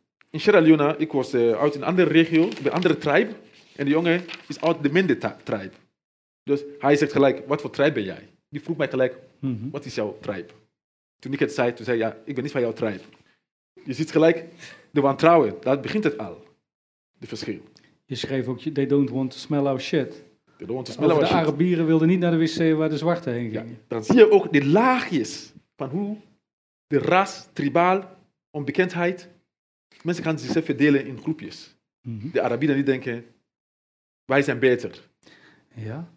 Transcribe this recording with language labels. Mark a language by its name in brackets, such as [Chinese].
[Dutch] In Sierra Leone, ik was uit een andere regio, een andere tribe. En de jongen is uit de minder tribe. Dus hij zegt gelijk, wat voor tribe ben jij? Die vroeg mij gelijk, mm-hmm. wat is jouw tribe? Toen ik het zei, toen zei ja, ik ben niet van jouw tribe. Je ziet gelijk, de wantrouwen, daar begint het al. De verschil. Je schreef ook, [English] they don't want to smell our shit. They don't want to smell our shit. [Dutch] De Arabieren wilden niet naar de wc waar de zwarte heen gingen. Ja, dan zie je ook de laagjes van hoe de ras, tribaal, onbekendheid. Mensen gaan zichzelf verdelen in groepjes. Mm-hmm. De Arabieren niet denken, wij zijn beter. Ja.